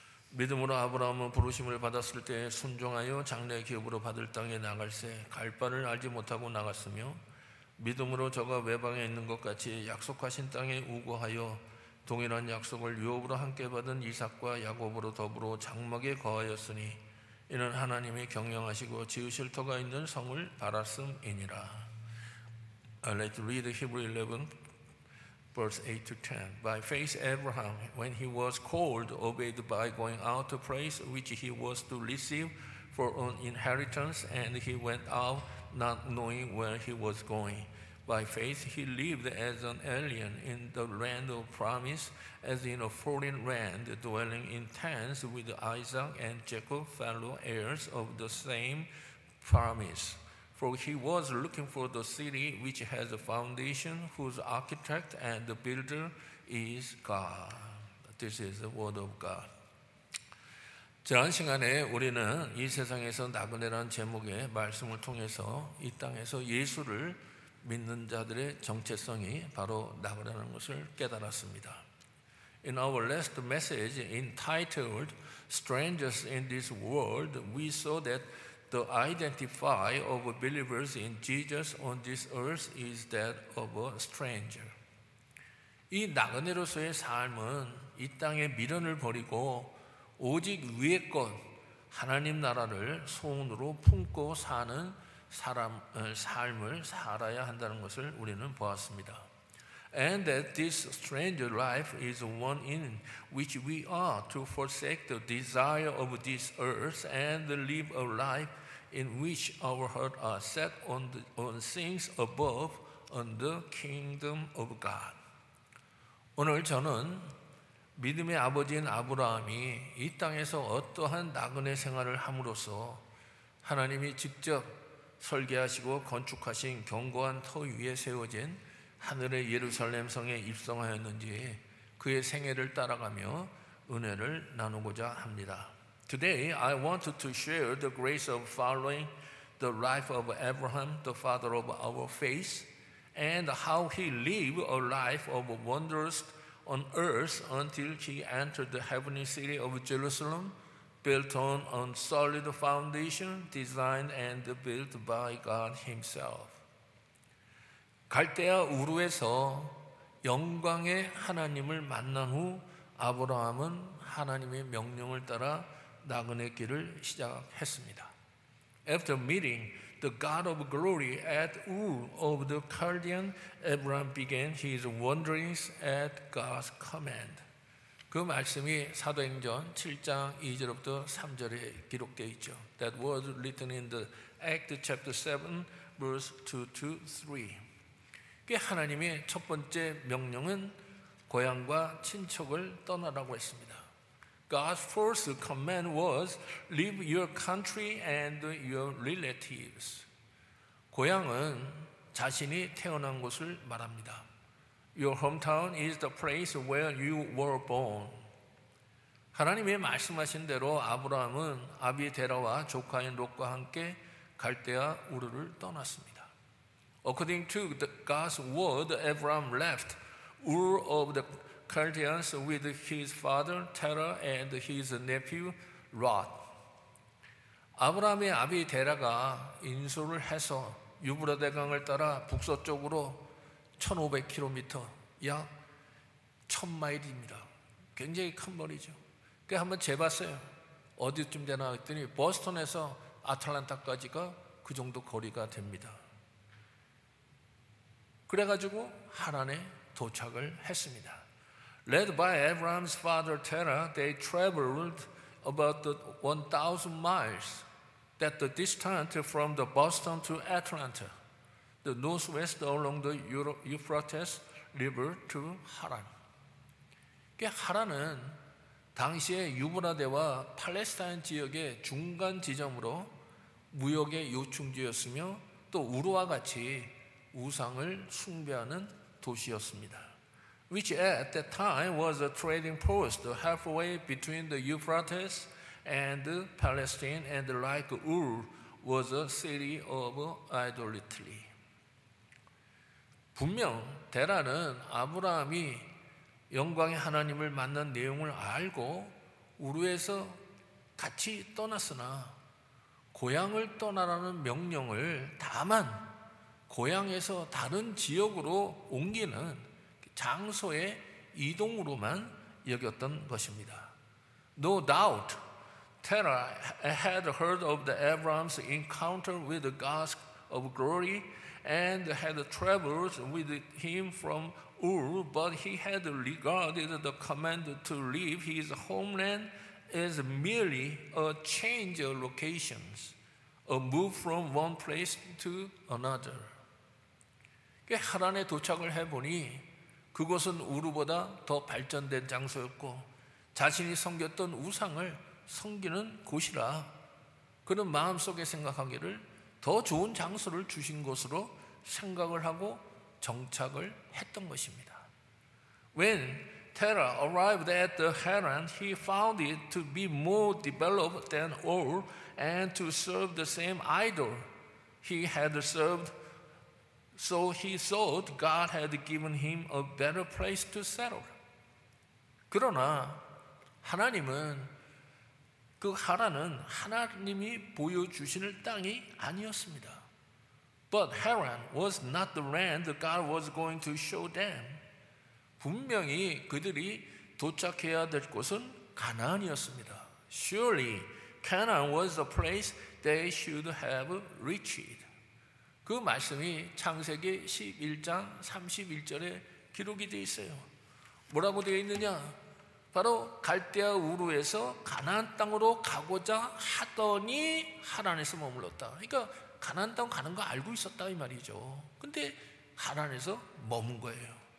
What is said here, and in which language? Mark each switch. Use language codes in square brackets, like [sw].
[ko] 믿음으로 아브라함은 부르심을 받았을 때 순종하여 장래 기업으로 받을 땅에 나갈 새 갈 바를 알지 못하고 나갔으며, 믿음으로 저가 외방에 있는 것 같이 약속하신 땅에 우거하여 동일한 약속을 유업으로 함께 받은 이삭과 야곱으로 더불어 장막에 거하였으니, 이는 하나님이 경영하시고 지으실 터가 있는 성을 바랐음이니라. [en] Let's read Hebrews 11 verse 8 to 10. By faith Abraham, when he was called, obeyed by going out to place which he was to receive for an inheritance, and he went out not knowing where he was going. By faith he lived as an alien in the land of promise, as in a foreign land, dwelling in tents with Isaac and Jacob, fellow heirs of the same promise. For he was looking for the city which has a foundation, whose architect and the builder is God. This is the word of God. [ko] 지난 시간에 우리는 이 세상에서 나그네라는 제목의 말씀을 통해서 이 땅에서 예수를 믿는 자들의 정체성이 바로 나그네라는 것을 깨달았습니다. [en] In our last message entitled Strangers in this World, we saw that the identity of believers in Jesus on this earth is that of a stranger. [ko] 이 나그네로서의 삶은 이 땅의 미련을 버리고 오직 위의 것, 하나님 나라를 소원으로 품고 사는 사람, 삶을 살아야 한다는 것을 우리는 보았습니다. [en] And that this stranger life is one in which we are to forsake the desire of this earth and live a life in which our heart are set on things above, on the kingdom of God. [ko] 오늘 저는 믿음의 아버지인 아브라함이 이 땅에서 어떠한 나그네 생활을 함으로써 하나님이 직접 설계하시고 건축하신 견고한 터 위에 세워진 하늘의 예루살렘 성에 입성하였는지 그의 생애를 따라가며 은혜를 나누고자 합니다. [en] Today I want to share the grace of following the life of Abraham, the father of our faith, and how he lived a life of wonders on earth until he entered the heavenly city of Jerusalem, built on a solid foundation designed and built by God himself. [ko] 갈대아 우르에서 영광의 하나님을 만난 후 아브라함은 하나님의 명령을 따라 나그네 길을 시작했습니다. [en] After meeting the God of glory at Ur of the Chaldean, Abraham began his wanderings at God's command. [ko] 그 말씀이 사도행전 7장 2절부터 3절에 기록되어 있죠. [en] That was written in the Acts chapter 7, verse 2 to 3. [ko] 그 하나님의 첫 번째 명령은 고향과 친척을 떠나라고 했습니다. [en] God's first command was leave your country and your relatives. [ko] 고향은 자신이 태어난 곳을 말합니다. [en] Your hometown is the place where you were born. [ko] 하나님의 말씀하신 대로 아브라함은 아비데라와 조카인 롯과 함께 갈대아 우르를 떠났습니다. [en] According to God's word, Abraham left Ur of the Chaldeans with his father Terah and his nephew Lot. [ko] 아브라함의 아비 데라가 인솔을 해서 유브라 대강을 따라 북서쪽으로 1500km, 약 1000마일입니다. 굉장히 큰 거리죠. 그 한번 재봤어요. 어디쯤 되나 했더니 보스턴에서 아틀란타까지가 그 정도 거리가 됩니다. 그래 가지고 하란에 도착을 했습니다. [en] Led by Abraham's father Terah, they traveled about the 1,000 miles that the distance from the Boston to Atlanta, the northwest along the Euphrates River to Haran. [ko] 하란은 당시에 유브라데와 팔레스타인 지역의 중간 지점으로 무역의 요충지였으며 또 우르와 같이 우상을 숭배하는 도시였습니다. [en] Which at that time was a trading post halfway between the Euphrates and Palestine, and like Ur was a city of idolatry. [ko] 분명 데라는 아브라함이 영광의 하나님을 만난 내용을 알고 우르에서 같이 떠났으나 고향을 떠나라는 명령을 다만 고향에서 다른 지역으로 옮기는 장소의 이동으로만 여겼던 것입니다. [en] No doubt, Terah had heard of the Abraham's encounter with the God of glory and had traveled with him from Ur, but he had regarded the command to leave his homeland as merely a change of locations, a move from one place to another. [ko] 하란에 도착을 해보니 그곳은 우르보다 더 발전된 장소였고 자신이 섬겼던 우상을 섬기는 곳이라 그는 마음속에 생각하기를 더 좋은 장소를 주신 곳으로 생각을 하고 정착을 했던 것입니다. [en] When Terah arrived at the Haran, he found it to be more developed than Ur and to serve the same idol he had served. So he thought God had given him a better place to settle. [ko] 그러나 하나님은 그 하란은 하나님이 보여주시는 땅이 아니었습니다. [en] But Haran was not the land God was going to show them. [ko] 분명히 그들이 도착해야 될 곳은 가나안이었습니다. [en] Surely Canaan was the place they should have reached. [ko] 그 말씀이 창세기 11장 31절에 기록이 되어 있어요. 뭐라고 되어 있느냐? 바로 갈대아 우르에서 가나안 땅으로 가고자 하더니 하란에서 머물렀다. 그러니까 가나안 땅 가는 거 알고 있었다 이 말이죠. 근데 하란에서 머문 거예요.